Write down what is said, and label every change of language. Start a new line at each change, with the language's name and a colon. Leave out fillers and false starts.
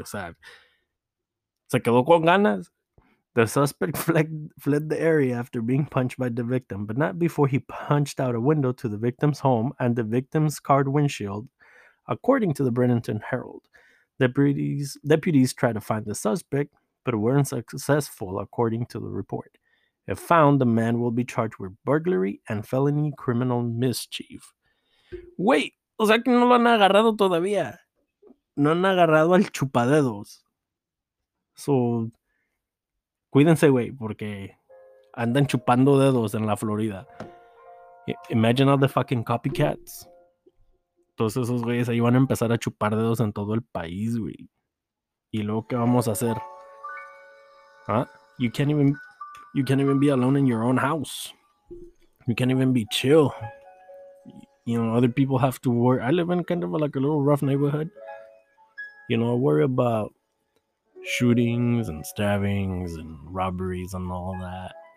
Spanish: O sea, se quedó con ganas.
English: The suspect fled the area after being punched by the victim, but not before he punched out a window to the victim's home and the victim's car windshield, according to the Bradenton Herald. Deputies tried to find the suspect, but weren't successful, according to the report. If found, the man will be charged with burglary and felony criminal mischief.
Spanish: Wait, o sea que no lo han agarrado todavía. No han agarrado al chupadedos. So... cuídense, güey, porque andan chupando dedos en la Florida.
English: Imagine all the fucking copycats.
Spanish: Todos esos güeyes ahí van a empezar a chupar dedos en todo el país, güey. ¿Y luego qué vamos a hacer? ¿Ah?
English: You can't even be alone in your own house. You can't even be chill. You know, other people have to worry. I live in kind of like a little rough neighborhood. You know, I worry about shootings and stabbings and robberies and all that.